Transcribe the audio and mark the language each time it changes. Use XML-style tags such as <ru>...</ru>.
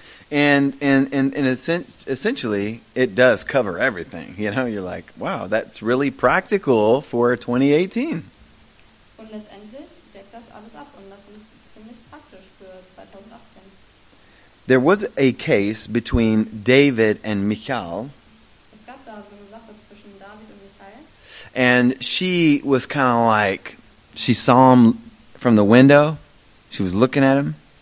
<en>And essentially, it does cover everything. You know, you're like, wow, that's really practical for 2018.</en> <de>Und letztendlich deckt das alles ab und das ist ziemlich praktisch für 2018.</de> <en>There was a case between David and Michal.</en> <de>Es gab da so eine Sache zwischen David und Michal.</de> <en>And she was kind of like, she saw him from the window. She was looking at him.</en>